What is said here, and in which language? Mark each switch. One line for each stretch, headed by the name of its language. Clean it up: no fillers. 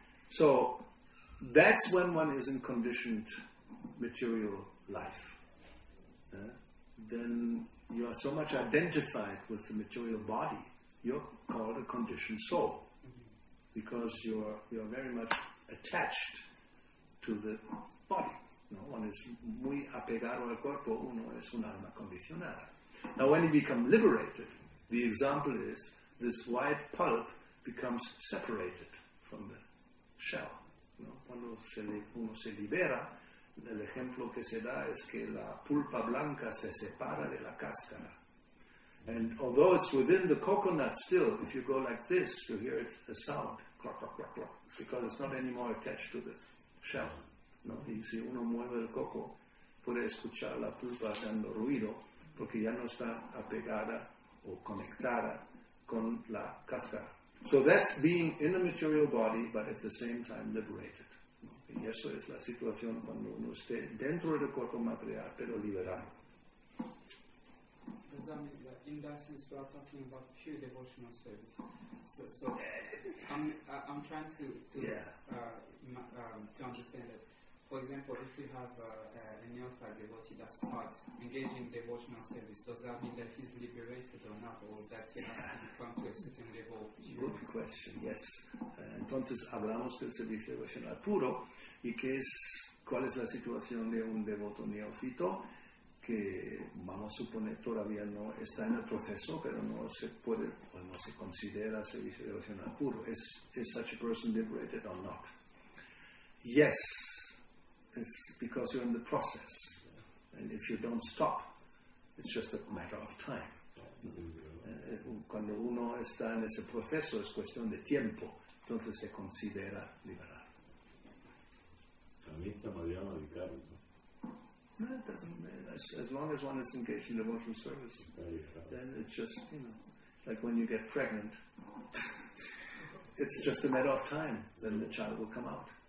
English: So that's when one is in conditioned material life. Then you are so much identified with the material body, you're called a conditioned soul, because you're very much attached to the body.
Spanish: No,
English: one is
Spanish: muy apegado al cuerpo, uno es un alma condicionada.
English: Now when you become liberated, the example is this white pulp becomes separated from the shell. No?
Spanish: Cuando uno se libera, el ejemplo que se da es que la pulpa blanca se separa de la cáscara.
English: And although it's within the coconut still, if you go like this, you hear it, a sound, clock, clock, clock, clock, because it's not anymore attached to the shell. No?
Spanish: Y si uno mueve el coco, puede escuchar la pulpa dando ruido, porque ya no está apegada o conectada con la cáscara.
English: So that's being in a material body, but at the same time liberated.
Spanish: ¿No? Y eso es la situación cuando uno esté dentro del cuerpo material, pero liberado.
English: Does that mean that in that sense we are talking about pure devotional service? So I'm trying to understand that. For example, if you have a neophyte devotee that starts engaging in devotional service, does that mean that he's liberated or not, or that he has to become to a certain level? Good question, yes.
Spanish: Entonces, hablamos del servicio devocional puro, y cuál es la situación de un devoto neófito, que vamos a suponer todavía no está en el proceso, pero no se puede, o no se considera servicio devocional puro.
English: Is such a person liberated or not? Yes. It's because you're in the process, and if you don't stop, it's just a matter of time.
Spanish: Cuando uno está en ese proceso, es cuestión de tiempo, entonces se considera liberado.
English: As long as one is engaged in devotional service, then it's just, you know, like when you get pregnant, it's just a matter of time, then the child will come out.